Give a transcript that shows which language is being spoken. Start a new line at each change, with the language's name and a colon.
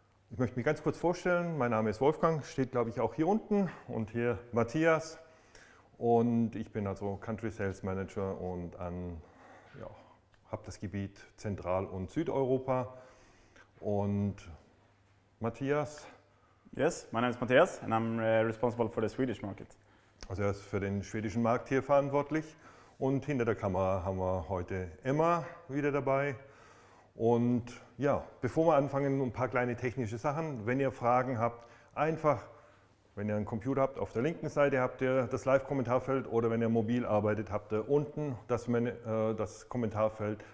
German: Ich möchte mich ganz kurz vorstellen. Mein Name ist Wolfgang, steht glaube ich auch hier unten, und hier Matthias. Und ich bin also Country Sales Manager und habe das Gebiet Zentral- und Südeuropa. Und Matthias?
English: Yes, my name is Matthias and I'm responsible for the Swedish market.
German: Also er ist für den schwedischen Markt hier verantwortlich. Und hinter der Kamera haben wir heute Emma wieder dabei. Und ja, bevor wir anfangen, ein paar kleine technische Sachen. Wenn ihr Fragen habt, einfach, wenn ihr einen Computer habt, auf der linken Seite habt ihr das Live-Kommentarfeld, oder wenn ihr mobil arbeitet, habt ihr unten das Kommentarfeld.